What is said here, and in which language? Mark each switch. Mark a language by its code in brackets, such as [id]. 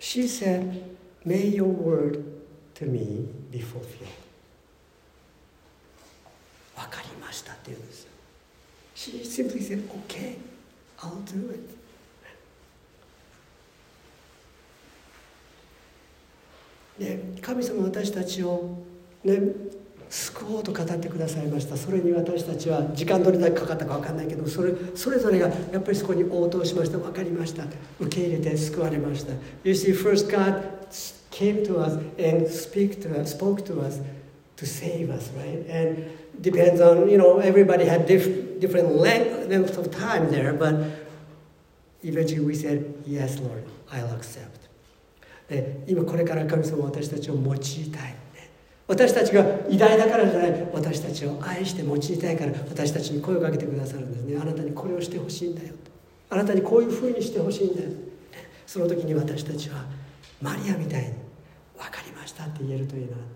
[en] She said,May your word to me be fulfilled. [ja] わかりましたって言うんです。 [en] She simply said, okay, I'll do it. [ja] で、神様は私たちを、ね、救おうと語ってくださいました。それに私たちは時間どれだけかかったかわかんないけど、それぞれがやっぱりそこに応答しました。わかりました。受け入れて救われました。 [en] You see, first God... came to us and speak to us, spoke to us to save us, right? And depends on, you know, everybody had different length of time there, but eventually we said, yes, Lord, I'll accept. [ja] で、今これから神様は私たちを用いたい。私たちが偉大だからじゃない、私たちを愛して用いたいから私たちに声をかけてくださるんですね。あなたにこれをしてほしいんだよ。あなたにこういうふうにしてほしいんだよ。その時に私たちは、マリアみたいに分かりましたって言えるといいな。